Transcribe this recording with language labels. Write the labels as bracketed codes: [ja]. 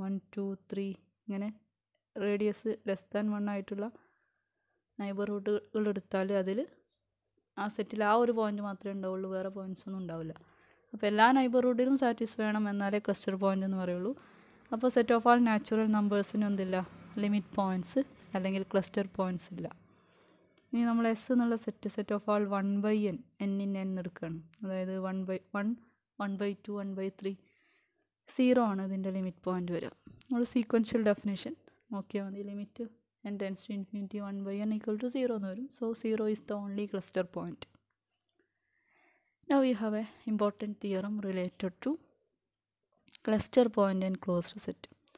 [ml] 1 2 3 ഇങ്ങനെ radius less than 1 നൈബർഹുഡുകൾ എടുത്താൽ അതിൽ ആ സെറ്റിൽ ആ ഒരു പോയിൻ്റ് മാത്രമേ ഉണ്ടാവുള്ളൂ, വേറെ പോയിൻ്റ്സ് ഒന്നും ഉണ്ടാവില്ല. അപ്പോൾ എല്ലാ നൈബർഹുഡിലും സാറ്റിസ്ഫൈ ആണ്, എന്നാലേ ക്ലസ്റ്റർ പോയിൻ്റ് എന്ന് പറയുള്ളൂ. അപ്പോൾ സെറ്റ് ഓഫ് ആൾ നാച്ചുറൽ നമ്പേഴ്സിനും എന്തില്ല, ലിമിറ്റ് പോയിൻ്റ്സ് അല്ലെങ്കിൽ ക്ലസ്റ്റർ പോയിൻ്റ്സ് ഇല്ല. ഇനി നമ്മൾ എസ് എന്നുള്ള set, set of all 1 by n എടുക്കുകയാണ്. അതായത് 1 by 1, 1 by 2, 1 by 3. 0 ഇതിൻ്റെ ലിമിറ്റ് പോയിൻ്റ് വരിക. നമ്മൾ സീക്വൻഷ്യൽ ഡെഫിനേഷൻ നോക്കിയാൽ മതി. Limit n tense to infinity 1 by n equal to 0 എന്ന് വരും. [en] So 0 is the only cluster point. Now we have an important theorem related to cluster point and closed set.